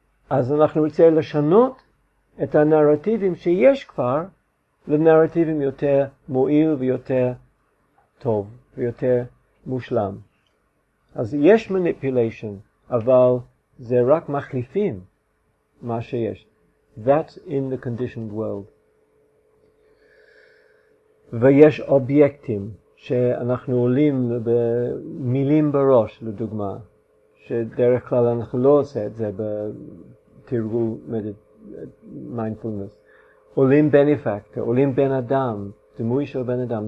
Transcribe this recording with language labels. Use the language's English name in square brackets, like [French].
[Hebrew] אז אנחנו רוצה לשנות את הנרטיבים שיש כבר לנרטיבים יותר מועיל ויותר טוב ויותר מושלם. אז יש manipulation, אבל זה רק מחליפים מה שיש. [English] That's in the conditioned world. [Hebrew] ויש אובייקטים שאנחנו עולים במילים בראש, לדוגמה, שדרך כלל אנחנו לא עושה את זה בתרגול מיינדפולנס. עולים בנפקטור, עולים בן אדם, דימוי של בן אדם.